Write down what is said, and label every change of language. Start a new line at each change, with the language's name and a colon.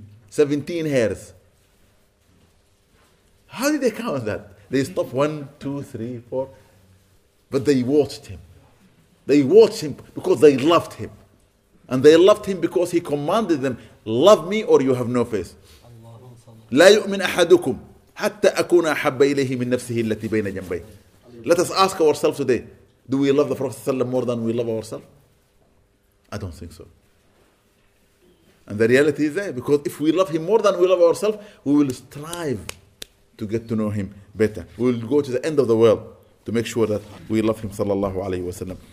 English: 17 hairs. How did they count that? They stopped 1, 2, 3, 4. But they watched him. They watched him because they loved him. And they loved him because he commanded them, love me or you have no face.
Arabic: لا يؤمن أحدكم حتى أكون أحب إليه من نفسه التي بين جنبي.
English: Let us ask ourselves today, do we love the Prophet ﷺ more than we love ourselves? I don't think so. And the reality is there, because if we love him more than we love ourselves, we will strive to get to know him better. We will go to the end of the world to make sure that we love him, sallallahu alayhi wa sallam.